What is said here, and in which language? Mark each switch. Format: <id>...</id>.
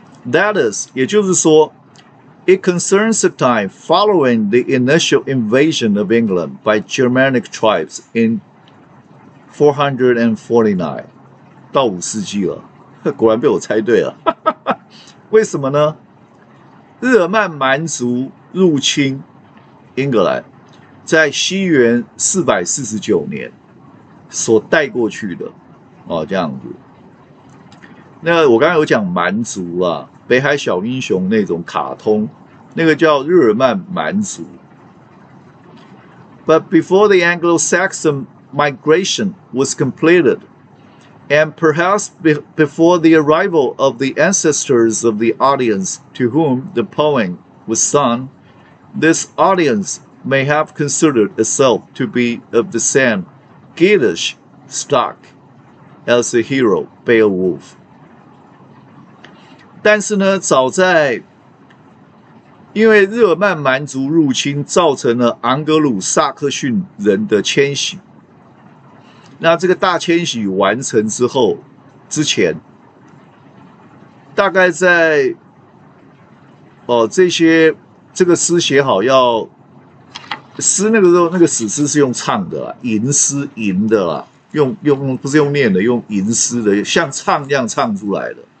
<en>That is,</en> <zh>也就是说</zh> <en>It concerns the time following the initial invasion of England by Germanic tribes in 449.</en> <zh>到五世纪了，果然被我猜对了。为什么呢？日耳曼蛮族入侵英格兰，在西元449年所带过去的，这样子。那我刚刚有讲蛮族啊，北海小英雄那种卡通。那个叫日耳曼蛮族。</zh> <en>But before the Anglo-Saxon migration was completed, and perhaps before the arrival of the ancestors of the audience to whom the poem was sung, this audience may have considered itself to be of the same Geatish stock as the hero Beowulf.</en> <zh>但是呢，早在因为日耳曼蛮族入侵造成了昂格鲁萨克逊人的迁徙，那这个大迁徙完成之后之前，大概在这些这个诗写好要诗，那个时候那个史诗是用唱的啦，吟诗吟的啦，用不是用念的，用吟诗的，像唱一样唱出来的。</zh>